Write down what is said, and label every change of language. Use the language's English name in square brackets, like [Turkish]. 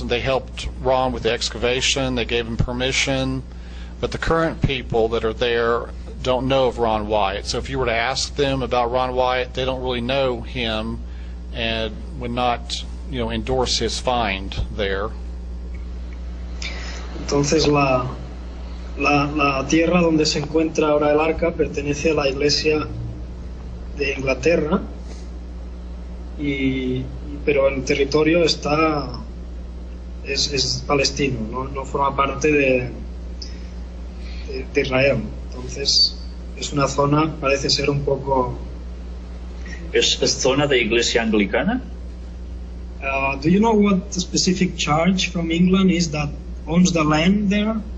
[English] They helped Ron with the excavation. They gave him permission. But the current people that are there don't know of Ron Wyatt. So if you were to ask them about Ron Wyatt, they don't really know him and would not, you know, endorse his find there. [Spanish] Entonces la tierra donde se encuentra ahora el arca pertenece a la iglesia de Inglaterra y pero el territorio está es palestino, no forma parte de Israel. Entonces es una zona, parece ser un poco... ¿Es zona de iglesia anglicana? [English] Do you know what the specific charge from England is that owns the land there?